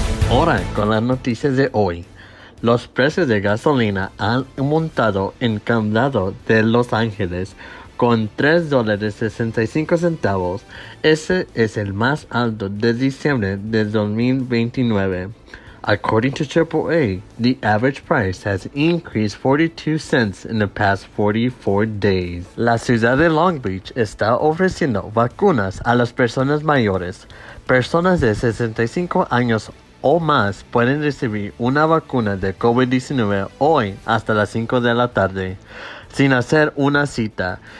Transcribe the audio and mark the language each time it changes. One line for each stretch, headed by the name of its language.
Spanish: Ahora, con las noticias de hoy. Los precios de gasolina han aumentado en Condado de Los Ángeles con $3.65. Ese es el más alto de diciembre de 2029.
English: According to AAA, the average price has increased 42 cents in the past 44 days.
Spanish: La ciudad de Long Beach está ofreciendo vacunas a las personas mayores. Personas de 65 años o más pueden recibir una vacuna de COVID-19 hoy hasta las 5 de la tarde, sin hacer una cita.